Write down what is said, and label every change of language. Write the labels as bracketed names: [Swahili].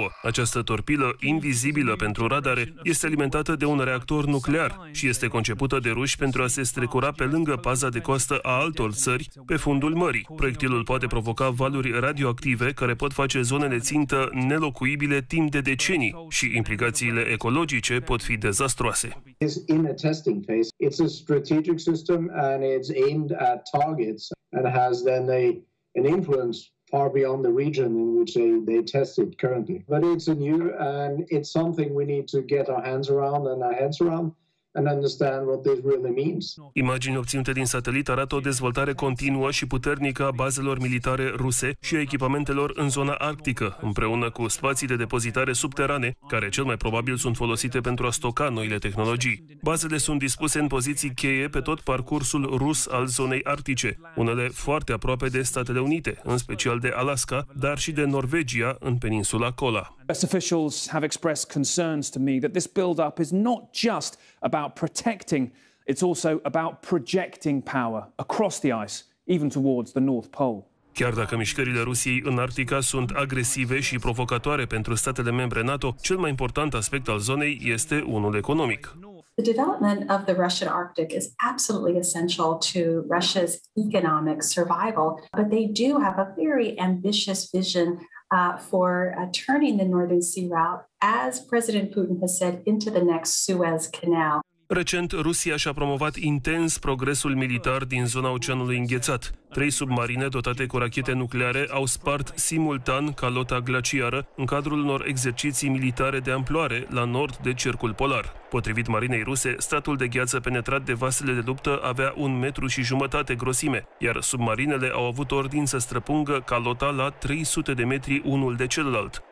[Romanian] Această torpilă, invizibilă pentru radare, este alimentată de un reactor nuclear și este concepută de ruși pentru a se strecura pe lângă paza de costă a altor țări pe fundul mării. Proiectilul poate provoca valuri radioactive care pot face zonele țintă nelocuibile timp de decenii și implicațiile ecologice pot fi dezastroase. [English] It's aimed at targets and has then an influence far beyond the region in which they test it currently. But it's new and it's something we need to get our hands around and our heads around and understand what this really means. [Romanian] Imagini obținute din satelit arată o dezvoltare continuă și puternică a bazelor militare ruse și a echipamentelor în zona arctică, împreună cu spații de depozitare subterane, care cel mai probabil sunt folosite pentru a stoca noile tehnologii. Bazele sunt dispuse în poziții cheie pe tot parcursul rus al zonei arctice, unele foarte aproape de Statele Unite, în special de Alaska, dar și de Norvegia în peninsula Kola. [English] Officials have expressed concerns to me that this build-up is not just about protecting, it's also about projecting power across the ice, even towards the North Pole. [Romanian] Chiar dacă mișcările Rusiei în Arctica sunt agresive și provocatoare pentru statele membre NATO, cel mai important aspect al zonei este unul economic. [English] The development of the Russian Arctic is absolutely essential to Russia's economic survival, but they do have a very ambitious vision for turning the Northern Sea Route, as President Putin has said, into the next Suez Canal. [Romanian] Recent, Rusia și-a promovat intens progresul militar din zona Oceanului Înghețat. 3 submarine dotate cu rachete nucleare au spart simultan calota glaciară în cadrul unor exerciții militare de amploare la nord de Cercul Polar. Potrivit marinei ruse, stratul de gheață penetrat de vasele de luptă avea 1,5 metri grosime, iar submarinele au avut ordin să străpungă calota la 300 de metri unul de celălalt.